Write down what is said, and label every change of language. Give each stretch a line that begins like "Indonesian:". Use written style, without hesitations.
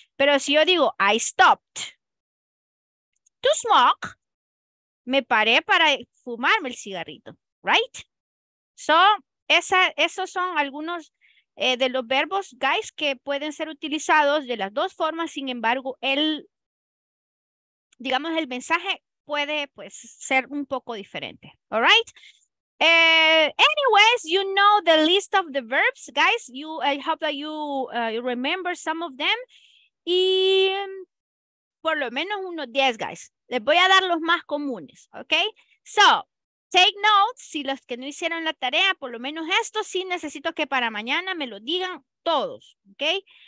Spanish: Pero si yo digo,
English: I stopped to smoke,
Spanish: me paré para fumarme el cigarrito,
English: right?
Spanish: So, esos son algunos de los verbos, guys, que pueden ser utilizados de las dos formas. Sin embargo, el mensaje puede, pues, ser un poco diferente,
English: all right? Anyways, you know the list of the verbs, guys. I hope that you remember some of them.
Spanish: Y por lo menos unos 10, guys. Les voy a dar los más comunes, ¿ok?
English: So, take notes.
Spanish: Si los que no hicieron la tarea, por lo menos esto sí necesito que para mañana me lo digan todos, ¿ok?